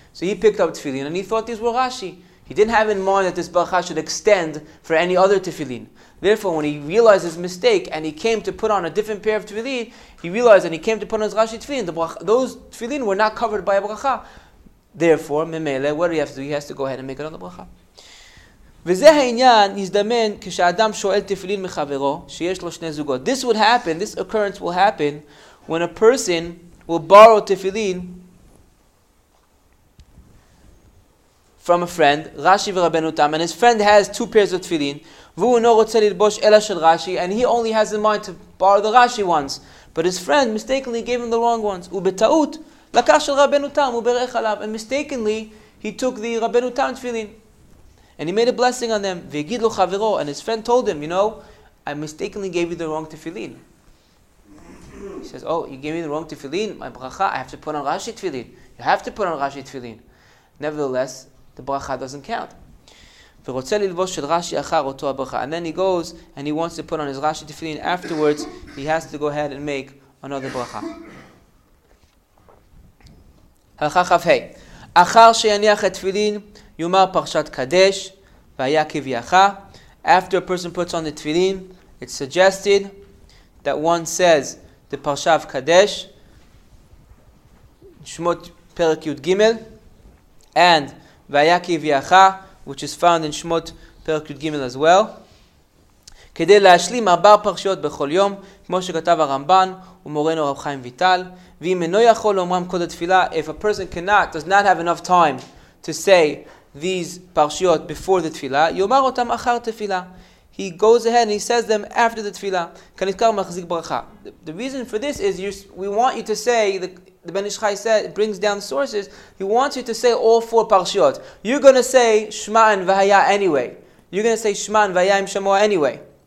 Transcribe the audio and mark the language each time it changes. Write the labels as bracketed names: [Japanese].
[English] So he picked up tefillin and he thought these were Rashi. He didn't have in mind that this bracha should extend for any other tefillin. Therefore, when he realized his mistake and he came to put on a different pair of tefillin, he realized and he came to put on his Rashi tefillin, those tefillin were not covered by a bracha. Therefore, memele, what do you have to do? He has to go ahead and make another bracha. [Hebrew] וזה העניין יזדמן כשאדם שואל תפילין מחברו שיש לו שני זוגות. [English] This would happen, this occurrence will happen when a person will borrow tefillin from a friend, Rashi ורבנו תם, and his friend has two pairs of tefillin, [Hebrew] והוא לא רוצה ללבוש אלא של רשי, [English] and he only has in mind to borrow the Rashi ones, but his friend mistakenly gave him the wrong ones, [Hebrew] ובטעות לקח של רבנו תם, וברך עליו, [English] and mistakenly he took the רבנו תם tefillin, and he made a blessing on them, [Hebrew] והגיד לו חברו, [English] and his friend told him, you know, I mistakenly gave you the wrong tefillin. He says, oh, you gave me the wrong tefillin, my bracha, I have to put on Rashi tefillin, you have to put on Rashi tefillin. Nevertheless, the bracha doesn't count. [Hebrew] ורוצה ללבוש של רשי אחר אותו הברכה. [English] And then he goes and he wants to put on his Rashi tefillin. Afterwards, he has to go ahead and make another bracha. [Hebrew] הלכה חף ה. אחר שיניח את תפילין, יומר פרשת קדש, והיה כביחה. [English] After a person puts on the tefillin, it's suggested that one says the parsha of Kadesh, שמות פרק י' ג', and והיה כביחה, which is found in Shmot Perek Yud Gimel as well. [Hebrew] כדי להשלים ארבע פרשיות בכל יום, כמו שכתב הרמב"ן ומורנו רב חיים ויטל, ואם אינו יכול לומרם כל התפילה, [English] if a person does not have enough time to say these פרשיות before the תפילה, [Hebrew] יאמר אותם אחר תפילה. [English] He goes ahead and he says them after the תפילה. [Hebrew] כנזכר מחזיק ברכה. [English] The reason for this is we want you to say the Ben Ish Chai said, brings down the sources, he wants you to say all four parshiot. You're going to say Shema and Vahaya anyway. You're going to say Shema and Vahaya Im Shamoa anyway.